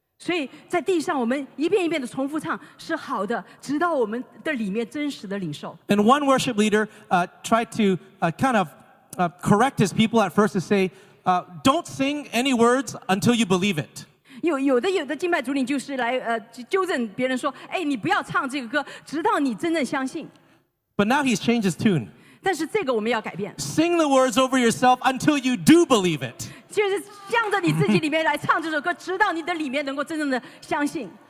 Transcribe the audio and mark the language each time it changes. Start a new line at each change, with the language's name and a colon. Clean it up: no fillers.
Chinese: 所以在地上我们一遍一遍的重复唱是好的直到我们的里面真实的领受
English: And one worship leader tried to correct his people at first to say don't sing any words until you believe it
Chinese: 有的敬拜主领就是来纠正别人说哎，你不要唱这个歌直到你真正相信
English: But now he's changed his tune
Chinese: 但是这个我们要改变
English: Sing the words over yourself until you do believe it
Chinese: 就是向着你自己里面来唱这首歌，直到你的里面能够真正的相信。